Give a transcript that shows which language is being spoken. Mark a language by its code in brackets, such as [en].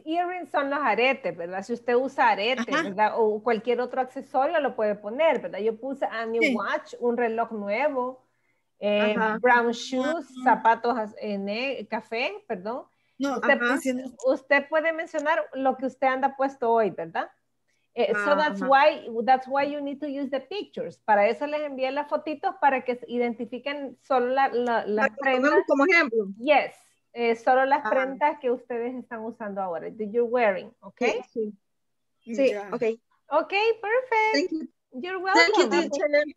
[es] Earrings son los aretes, ¿verdad? Si usted usa aretes, ¿verdad? O cualquier otro accesorio lo puede poner, ¿verdad? Yo puse [en] a new watch, [es] un reloj nuevo, [en] brown shoes, [es] zapatos café, perdón. No, usted puede mencionar lo que usted anda puesto hoy, ¿verdad? [en] That's why you need to use the pictures. [es] Para eso les envié las fotitos, para que identifiquen solo las prendas. Como ejemplo. Yes, solo las prendas que ustedes están usando ahora. [en] That you're wearing, okay? [es] Sí. Okay. [en] Okay, perfect. Thank you. You're welcome. Thank you, teacher.